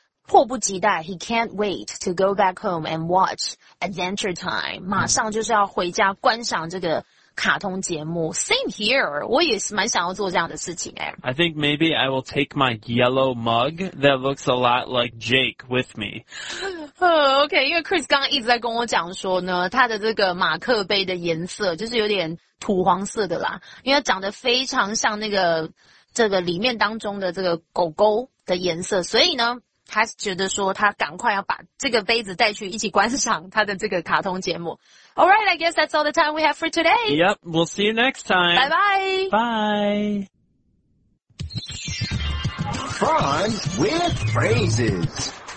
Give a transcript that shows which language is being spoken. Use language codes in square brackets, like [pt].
[zh] 迫不及待 [en] ,he can't wait to go back home and watch Adventure Time, [zh] 马上就是要回家观赏这个卡通节目。 [en] Same here, [zh] 我也蛮想要做这样的事情、欸、 [en] I think maybe I will take my yellow mug that looks a lot like Jake with me. [zh] OK, 因为 Chris 刚刚一直在跟我讲说呢，他的这个马克杯的颜色就是有点土黄色的啦，因为他长得非常像那个这个里面当中的这个狗狗的颜色，所以呢他觉得说他赶快要把这个杯子带去一起观赏他的这个卡通节目。 [en] Alright, I guess that's all the time we have for today. Yep, we'll see you next time. Bye bye. Bye. Fun with phrases.